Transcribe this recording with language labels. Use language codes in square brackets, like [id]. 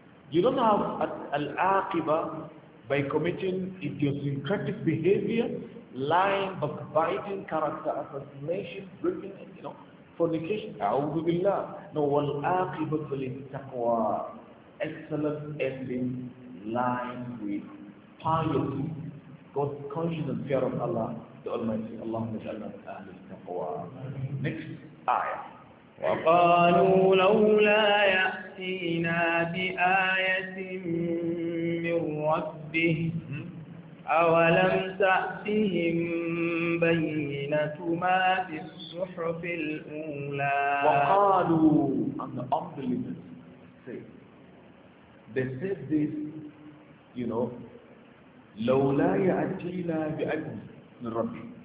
[en] You don't have al-aqiba by committing idiosyncratic behavior, lying, backbiting, character assassination, breaking, you know, fornication. [ar] A'udhu billah. No, wal-aqibatu lit-taqwa. [en] Excellent ending lined with piety, God conscious and fear of Allah, the Almighty. [ar] Allahumma jalla ahli taqwa. [en] Next ayah. [ar] وقالوا لولا يأتينا بآية من ربه أولم تأتهم بينة ما في الصحف الأولى. [en] وقالوا and the unbelievers say, they said this, you know, [ar] لولا يأتينا بآية من ربه.